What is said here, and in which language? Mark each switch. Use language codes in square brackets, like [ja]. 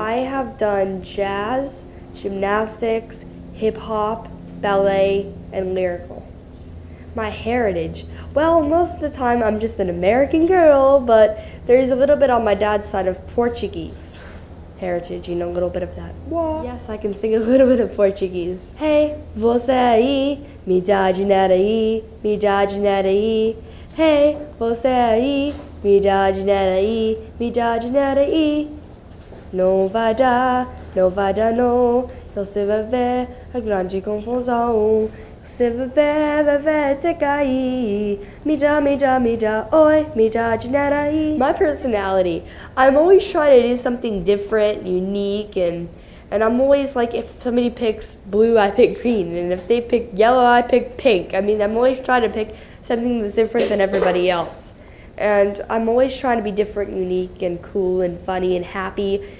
[en] I have done jazz, gymnastics, hip hop, ballet, and lyrical. My heritage. Well, most of the time I'm just an American girl, but there's a little bit on my dad's side of Portuguese heritage, you know, a little bit of that. Wah. Yes, I can sing a little bit of Portuguese. [pt] Hey, você aí, me dá dinheiro aí, me dá dinheiro aí. Hey, você aí, me dá dinheiro aí, me dá dinheiro aí. Não vai dar, não vai dar não, você vai ver a grande confusão. Você vai ver, te cair, me dá, oi, me dá dinheiro aí. [en] My personality, I'm always trying to do something different, unique, and I'm always like, if somebody picks blue, I pick green, and if they pick yellow, I pick pink. I mean, I'm always trying to pick something that's different than everybody else. And I'm always trying to be different, unique, and cool, and funny, and happy.